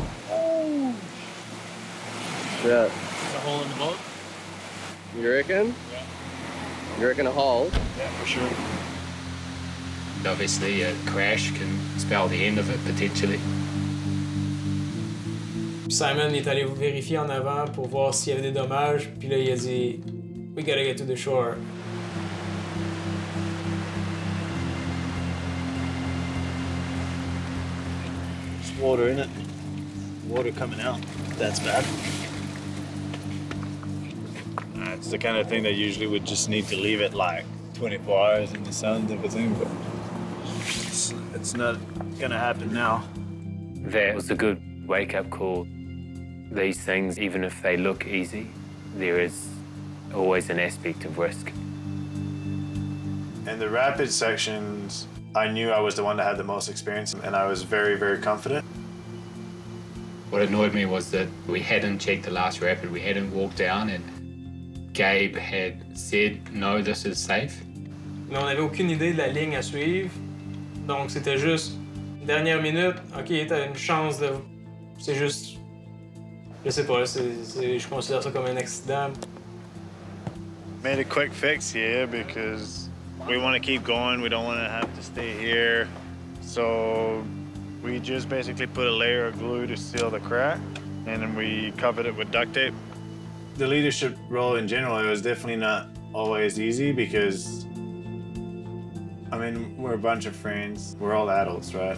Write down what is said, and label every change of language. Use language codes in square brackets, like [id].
[en] Oh. Yeah. Is a hole in the boat? You reckon? Yeah. You reckon a hole? Yeah, for sure. Obviously, a crash can spell the end of it, potentially. [fr] Simon est allé vérifier en avant pour voir s'il y avait des dommages. Puis là, il a dit, [en] we gotta get to the shore. There's water in it. Water coming out. That's bad. It's the kind of thing that usually would just need to leave it like 24 hours in the sun type of thing, but it's not gonna happen now. That was a good wake-up call. These things, even if they look easy, there is always an aspect of risk. In the rapid sections, I knew I was the one that had the most experience, and I was very, very confident. What annoyed me was that we hadn't checked the last rapid, we hadn't walked down, and Gabe had said, no, this is safe. [fr] Mais on avait aucune idée de la ligne à suivre, donc c'était juste, dernière minute, OK, t'as une chance de... C'est juste... Je sais pas, je considère ça comme un accident. [en] Made a quick fix here because we want to keep going. We don't want to have to stay here. So we just basically put a layer of glue to seal the crack and then we covered it with duct tape. The leadership role in general, it was definitely not always easy because, I mean, we're a bunch of friends. We're all adults, right?